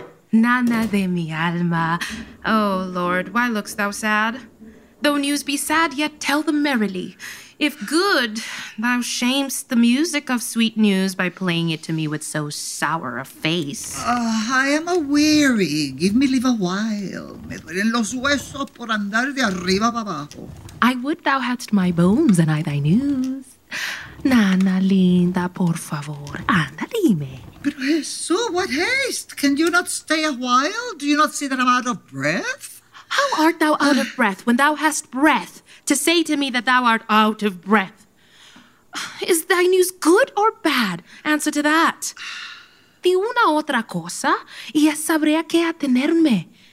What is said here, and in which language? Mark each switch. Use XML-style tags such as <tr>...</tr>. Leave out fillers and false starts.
<es>Nana de mi alma.</es> <en>Oh, Lord, why look'st thou sad? Though news be sad, yet tell them merrily. If good, thou shamest the music of sweet news by playing it to me with so sour a face. I am a weary. Give me leave a while.</en> <es>Me duelen los huesos por andar de arriba para abajo.</es> <en>I would thou hadst my bones and I thy news.</en> <es>Nana linda, por favor, anda dime.</es> <en>Pero Jesús, what haste? Can you not stay a while? Do you not see that I'm out of breath? How art thou out of breath when thou hast breath? To say to me that thou art out of breath. Is thy news good or bad? Answer to that.</en> <es>Di una otra cosa, y ya sabría qué atenerme.</es>